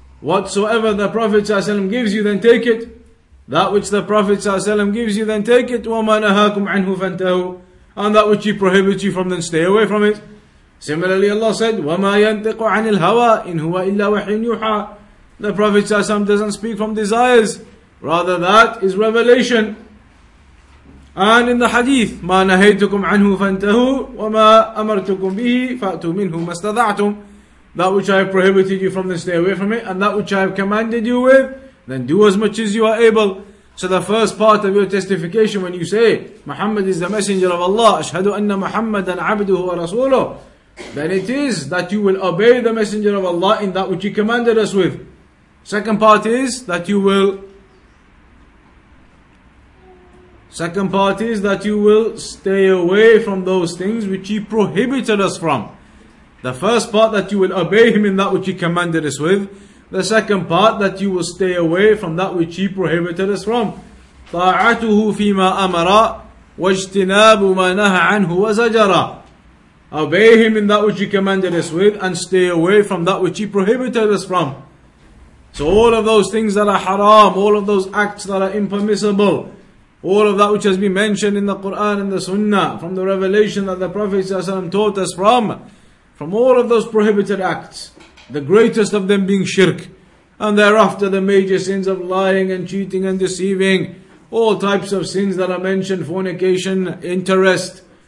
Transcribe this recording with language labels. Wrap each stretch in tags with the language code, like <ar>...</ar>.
<en>Whatsoever the Prophet ﷺ gives you, then take it. That which the Prophet ﷺ gives you, then take it.</en> <ar>وَمَا نَهَاكُمْ عَنْهُ فَانْتَهُوا.</ar> <en>And that which he prohibits you from, then stay away from it. Similarly, Allah said,</en> <ar>وَمَا يَنْتِقُ عَنِ الْهَوَىٰ إِنْ هُوَ إِلَّا وَحْيٌ يُوحَىٰ.</ar> <en>The Prophet ﷺ doesn't speak from desires. Rather, that is revelation. And in the hadith,</en> <ar>ما نهيتكم عنه فانتهوا وما أمرتكم به فأتوا منه ما استطعتم.</ar> <en>That which I have prohibited you from, then stay away from it. And that which I have commanded you with, then do as much as you are able. So the first part of your testification, when you say, Muhammad is the messenger of Allah,</en> <ar>أشهدوا أن محمدًا عبده ورسوله,</ar> <en>then it is that you will obey the messenger of Allah in that which he commanded us with. Second part is that you will stay away from those things which he prohibited us from. The first part, that you will obey him in that which he commanded us with. The second part, that you will stay away from that which he prohibited us from.</en> <ar>طاعته فيما أمر واجتناب ما نهى عنه وزجر.</ar> <en>Obey him in that which he commanded us with, and stay away from that which he prohibited us from. So all of those things that are haram, all of those acts that are impermissible, all of that which has been mentioned in the Quran and the Sunnah, from the revelation that the Prophet ﷺ taught us from all of those prohibited acts, the greatest of them being shirk, and thereafter the major sins of lying and cheating and deceiving, all types of sins that are mentioned, fornication, interest,</en>